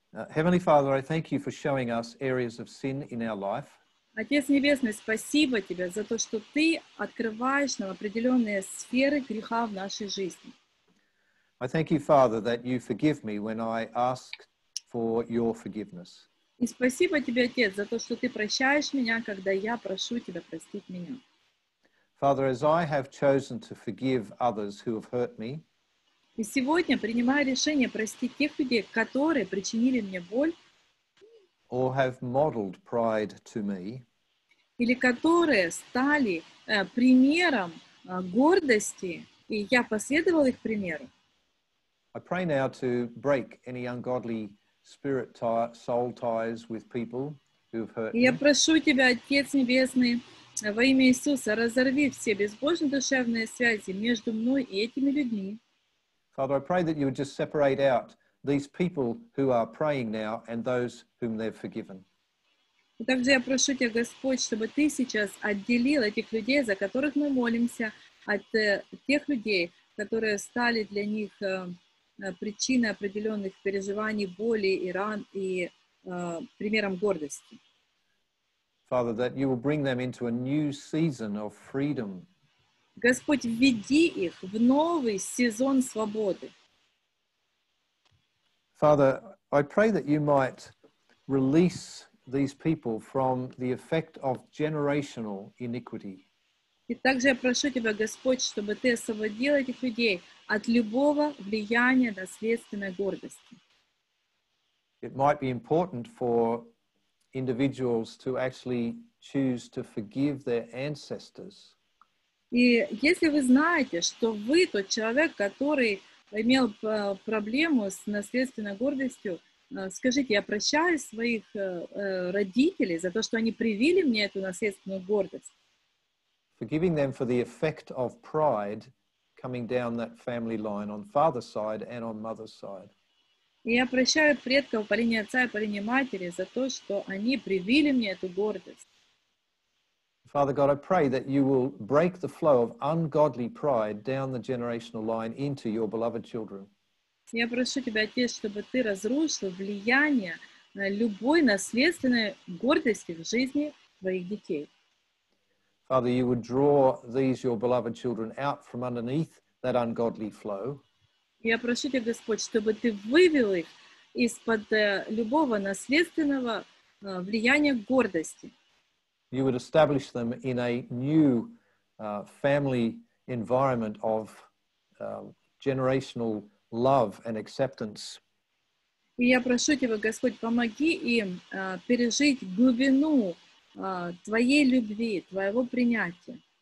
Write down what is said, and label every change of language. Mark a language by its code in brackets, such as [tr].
[en] Heavenly Father, I thank you for showing us areas of sin in our life. [ru] Отец Небесный, спасибо Тебе за то, что Ты открываешь нам определенные сферы греха в нашей жизни. [en] I thank you, Father, that you forgive me when I ask for your forgiveness. [ru] И спасибо тебе, Отец, за то, что ты прощаешь меня, когда я прошу тебя простить меня. [en] Father, as I have chosen to forgive others who have hurt me. [ru] И сегодня принимаю решение простить тех людей, которые причинили мне боль. [en] Or have modeled pride to me. [ru] Или которые стали примером гордости, и я последовал их примеру. [en] I pray now to break any ungodly spirit tie, soul ties with people who have hurt me. [ru] Я прошу тебя, Отец Небесный, во имя Иисуса, разорви все безбожные душевные связи между мной и этими людьми. [en] Father, I pray that you would just separate out these people who are praying now and those whom they've forgiven. [ru] И также я прошу тебя, Господь, чтобы ты сейчас отделил этих людей, за которых мы молимся, от тех людей, которые стали для них причины определенных переживаний, боли и ран, и примером гордости. [en] Father, that you will bring them into a new season of freedom. [ru] Господь, введи их в новый сезон свободы. [en] Father, I pray that you might release these people from the effect of generational iniquity. [ru] И также я прошу тебя, Господь, чтобы ты освободил этих людей от любого влияния наследственной гордости. [en] It might be important for individuals to actually choose to forgive their ancestors. [ru] И если вы знаете, что вы тот человек, который имел проблему с наследственной гордостью, скажите, я прощаю своих родителей за то, что они привили мне эту наследственную гордость. [en] Forgiving them for the effect of pride coming down that family line on father's side and on mother's side. [ru] И я прощаю предков по линии отца и по линии матери за то, что они привили мне эту гордость. [en] Father God, I pray that you will break the flow of ungodly pride down the generational line into your beloved children. [ru] Я прошу тебя, Отец, чтобы ты разрушил влияние любой наследственной гордости в жизни твоих детей. [en] Father, you would draw these your beloved children out from underneath that ungodly flow. [ru] Я прошу тебя, Господь, чтобы ты вывел их из-под любого наследственного влияния гордости. [en] You would establish them in a new family environment of generational love and acceptance. [ru] И я прошу тебя, Господь, помоги им пережить глубину твоей любви, твоего принятия.